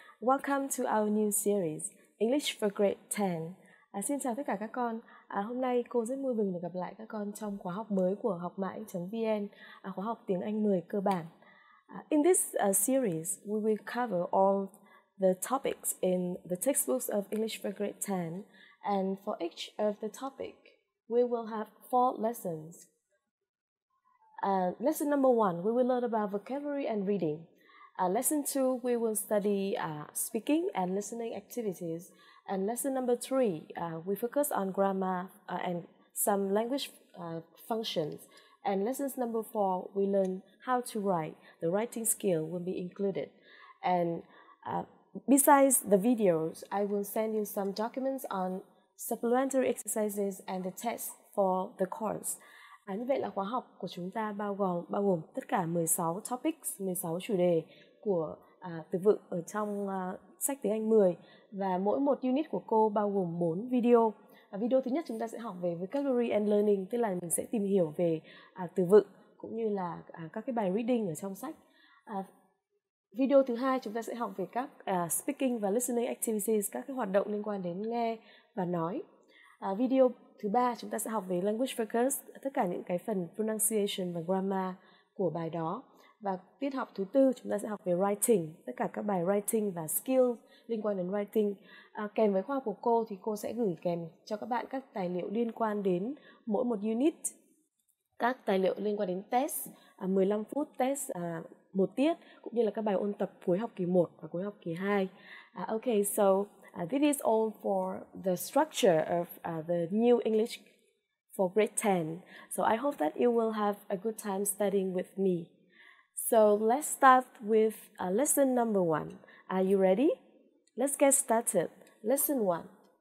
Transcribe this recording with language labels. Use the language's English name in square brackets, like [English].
[English] Welcome to our new series, English for Grade 10. [Vietnamese] Xin chào tất cả các con. Hôm nay cô rất vui mừng được gặp lại các con trong khóa học mới của hocmai.vn, khóa học tiếng Anh 10 cơ bản. [English] In this series, we will cover all the topics in the textbooks of English for Grade 10. And for each of the topic, we will have 4 lessons. Lesson number 1, we will learn about vocabulary and reading. Lesson 2, we will study speaking and listening activities. And lesson number 3, we focus on grammar and some language functions. And lessons number 4, we learn how to write. The writing skill will be included. And besides the videos, I will send you some documents on supplementary exercises and the tests for the course. [Vietnamese] Như vậy là khóa học của chúng ta bao gồm tất cả 16 topics, 16 chủ đề của từ vựng ở trong sách tiếng Anh 10. Và mỗi một unit của cô bao gồm 4 video. Video thứ nhất chúng ta sẽ học về [English] vocabulary and learning, [Vietnamese] tức là mình sẽ tìm hiểu về từ vựng cũng như là các cái bài reading ở trong sách. Video thứ hai chúng ta sẽ học về các speaking và [English] listening activities, [Vietnamese] các cái hoạt động liên quan đến nghe và nói. Video thứ ba chúng ta sẽ học về [English] language focus, [Vietnamese] tất cả những cái phần pronunciation và grammar của bài đó. Và tiết học thứ tư chúng ta sẽ học về writing, tất cả các bài writing và skills liên quan đến writing. Kèm với khóa học của cô thì cô sẽ gửi kèm cho các bạn các tài liệu liên quan đến mỗi một unit, các tài liệu liên quan đến test, 15 phút test một tiết, cũng như là các bài ôn tập cuối học kỳ 1 và cuối học kỳ 2. [English] This is all for the structure of the new English for grade 10. So I hope that you will have a good time studying with me. So let's start with lesson number 1. Are you ready? Let's get started. Lesson 1.